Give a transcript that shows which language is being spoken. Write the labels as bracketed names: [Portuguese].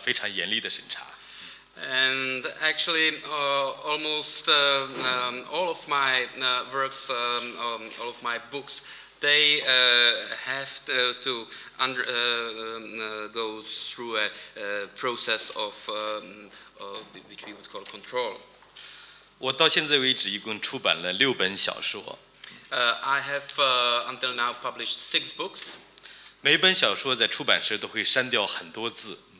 [Chinese] 我的书，我的小说，每一本小说在出版之前都会遭遇到非常严厉的审查。 [English] And actually, almost all of my works, all of my books, they have to under, go through a process of which we would call control. [Chinese] 我到现在为止一共出版了六本小说。 [English] I have until now published 6 books. [Chinese] 每本小说在出版时都会删掉很多字。